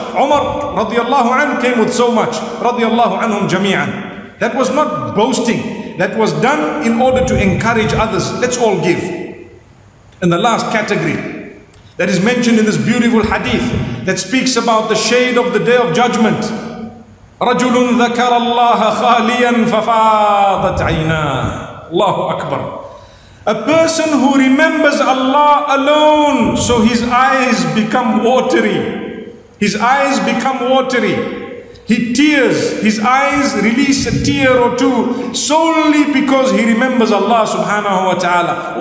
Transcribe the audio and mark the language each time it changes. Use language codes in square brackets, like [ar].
[en] Umar radiallahu anhu came with so much. Radiallahu anhum jami'an. That was not boasting. That was done in order to encourage others. Let's all give. And the last category that is mentioned in this beautiful hadith that speaks about the shade of the day of judgment. [ar] رجل ذكر الله خاليا ففاضت عيناه. Allahu Akbar. [en] A person who remembers Allah alone, so his eyes become watery. His eyes become watery. He tears, his eyes release a tear or two solely because he remembers Allah subhanahu wa ta'ala.